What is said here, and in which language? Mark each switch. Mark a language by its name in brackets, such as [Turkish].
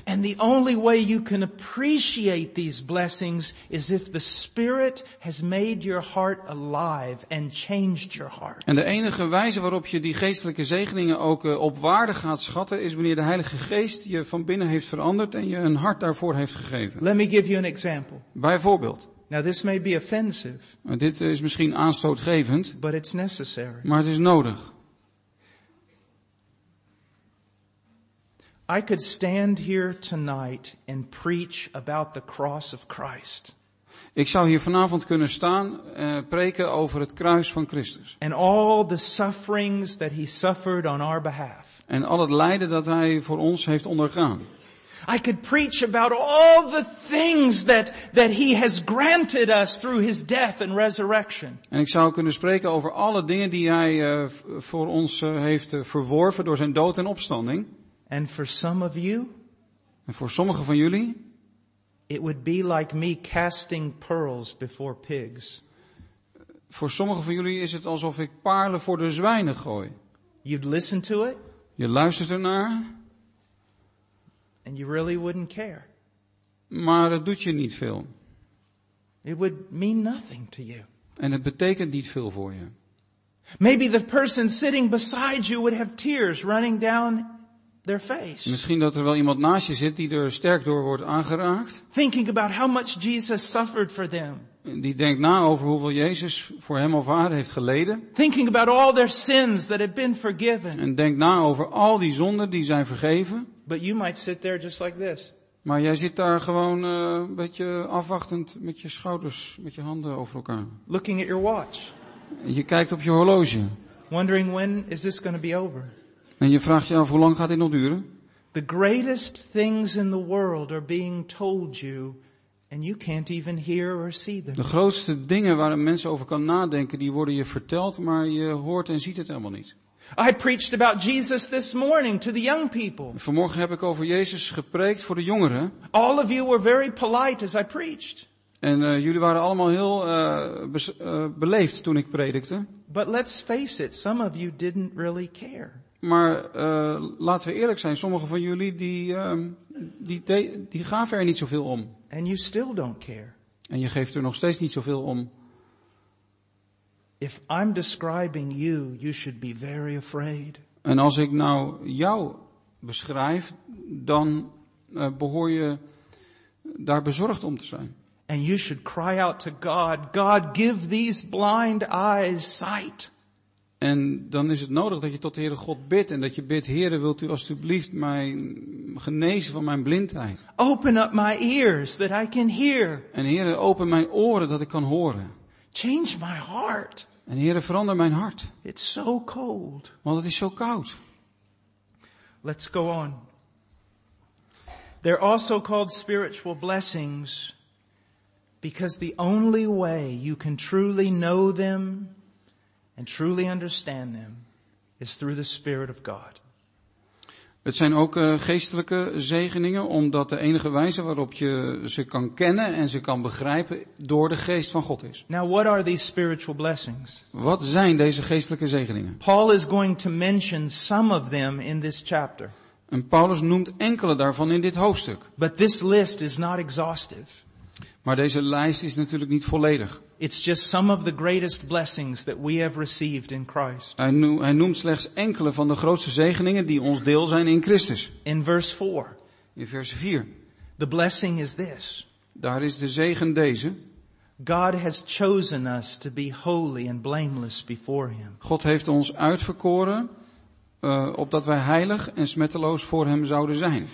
[English] And the only way you can appreciate these blessings is if the Spirit has made your heart alive and changed your heart. [Dutch] En de enige wijze waarop je die geestelijke zegeningen ook op waarde gaat schatten is wanneer de Heilige Geest je van binnen heeft veranderd en je een hart daarvoor heeft gegeven. [English] Let me give you an example. [Dutch] Bijvoorbeeld. [English] Now this may be offensive. [Dutch] Dit is misschien aanstootgevend. [English] But it's necessary. [Dutch] Maar het is nodig. [English] I could stand here tonight and preach about the cross of Christ. [Dutch] Ik zou hier vanavond kunnen staan en preken over het kruis van Christus. [English] And all the sufferings that he suffered on our behalf. [Dutch] En al het lijden dat hij voor ons heeft ondergaan. [English] I could preach about all the things that he has granted us through his death and resurrection. [Dutch] En ik zou kunnen spreken over alle dingen die hij voor ons heeft verworven door zijn dood en opstanding. [English] And for some of you, [Dutch] en voor sommigen van jullie, [English] it would be like me casting pearls before pigs. [Dutch] Voor sommigen van jullie is het alsof ik paarlen voor de zwijnen gooi. [English] You'd listen to it. [Dutch] Je luistert ernaar. [English] And you really wouldn't care. [Dutch] Maar het doet je niet veel. [English] It would mean nothing to you. [Dutch] En het betekent niet veel voor je. [English] Maybe the person sitting beside you would have tears running down their face. [Dutch] Misschien dat er wel iemand naast je zit die er sterk door wordt aangeraakt. [English] Thinking about how much Jesus suffered for them. [Dutch] Die denkt na over hoeveel Jezus voor hem of haar heeft geleden. [English] Thinking about all their sins that have been forgiven. [Dutch] En denkt na over al die zonden die zijn vergeven. [English] But you might sit there just like this. [Dutch] Maar jij zit daar gewoon een beetje afwachtend met je schouders, met je handen over elkaar. [English] Looking at your watch. [Dutch] Je kijkt op je horloge. [English] Wondering when is this going to be over? [Dutch] En je vraagt je af hoe lang gaat dit nog duren? [English] The greatest things in the world are being told you and you can't even hear or see them. [Dutch] De grootste dingen waar een mens over kan nadenken, die worden je verteld, maar je hoort en ziet het helemaal niet. [English] I preached about Jesus this morning to the young people. [Dutch] Vanmorgen heb ik over Jezus gepreekt voor de jongeren. [English] All of you were very polite as I preached. [Dutch] En jullie waren allemaal heel beleefd toen ik predikte. [English] But let's face it, some of you didn't really care. [Dutch] Maar laten we eerlijk zijn, sommige van jullie die gaven er niet zoveel om. [English] And you still don't care. [Dutch] En je geeft er nog steeds niet zoveel om. [English] If I'm describing you, you should be very afraid. [Dutch] En als ik nou jou beschrijf, dan behoor je daar bezorgd om te zijn. [English] And you should cry out to God, God, give these blind eyes sight. [Dutch] En dan is het nodig dat je tot de Heere God bidt en dat je bidt, Heere, wilt u alstublieft mij genezen van mijn blindheid? [English] Open up my ears that I can hear. [Dutch] En Heere, open mijn oren dat ik kan horen. [English] Change my heart. [Dutch] En Heere, verander mijn hart. [English] It's so cold. [Dutch] Want het is zo koud. [English] Let's go on. They're also called spiritual blessings because the only way you can truly know them and truly understand them is through the Spirit of God. [Dutch] Het zijn ook geestelijke zegeningen, omdat de enige wijze waarop je ze kan kennen en ze kan begrijpen door de Geest van God is. [English] Now, what are these spiritual blessings? [Dutch] Wat zijn deze geestelijke zegeningen? [English] Paul is going to mention some of them in this chapter. [Dutch] En Paulus noemt enkele daarvan in dit hoofdstuk. [English] But this list is not exhaustive. [Dutch] Maar deze lijst is natuurlijk niet volledig. [English] It's just some of the greatest blessings that we have received in Christ. [Dutch] Hij noemt slechts enkele van de grootste zegeningen die ons deel zijn in Christus. [English] In verse 4. [Dutch] In vers 4. [English] The blessing is this. [Dutch] Daar is de zegen deze. [English] God has chosen us to be holy and blameless before him. [Dutch] God heeft ons uitverkoren opdat wij heilig en smetteloos voor hem zouden zijn.